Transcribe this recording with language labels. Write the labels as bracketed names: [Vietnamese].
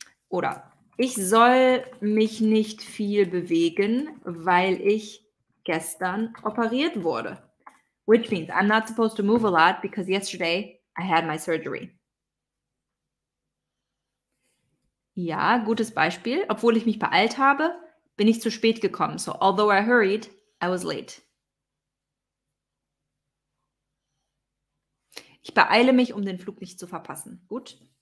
[German] Oder ich soll mich nicht viel bewegen, weil ich gestern operiert wurde. [English] Which means I'm not supposed to move a lot because yesterday I had my surgery. [German] Ja, gutes Beispiel. Obwohl ich mich beeilt habe, bin ich zu spät gekommen. [English] So although I hurried, I was late. [German] Ich beeile mich, um den Flug nicht zu verpassen. Gut.